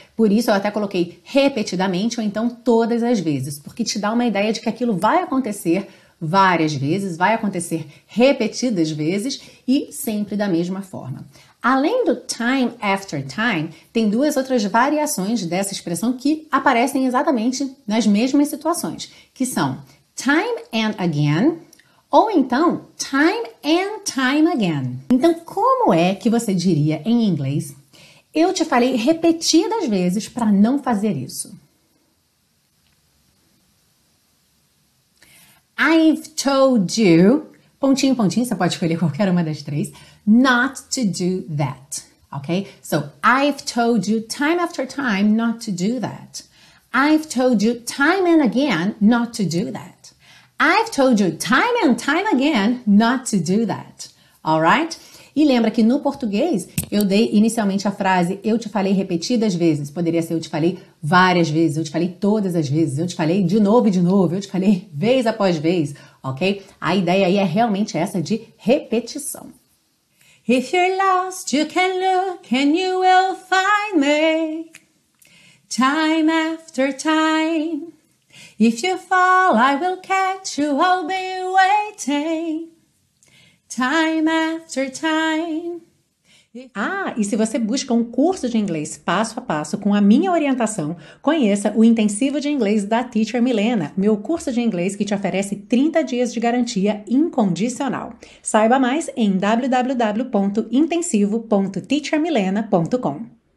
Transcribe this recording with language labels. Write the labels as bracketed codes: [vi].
[pt] Por isso eu até coloquei repetidamente ou então todas as vezes, porque te dá uma ideia de que aquilo vai acontecer várias vezes, vai acontecer repetidas vezes e sempre da mesma forma. Além do [en] time after time, [pt] tem duas outras variações dessa expressão que aparecem exatamente nas mesmas situações, que são [en] time and again. [pt] Ou então, [en] time and time again. [pt] Então, como é que você diria em inglês? Eu te falei repetidas vezes para não fazer isso. [en] I've told you, [pt] pontinho, pontinho, você pode escolher qualquer uma das três, [en] not to do that, [pt] ok? [en] So, I've told you time after time not to do that. I've told you time and again not to do that. I've told you time and time again not to do that. All right? [pt] E lembra que no português eu dei inicialmente a frase eu te falei repetidas vezes. Poderia ser eu te falei várias vezes, eu te falei todas as vezes, eu te falei de novo, eu te falei vez após vez, ok? A ideia aí é realmente essa de repetição. [en] If you're lost, you can look and you will find me. Time after time. If you fall, I will catch you, I'll be waiting. Time after time. [pt] Ah, e se você busca um curso de inglês passo a passo com a minha orientação, conheça o Intensivo de Inglês da Teacher Milena, meu curso de inglês que te oferece 30 dias de garantia incondicional. Saiba mais em www.intensivo.teachermilena.com.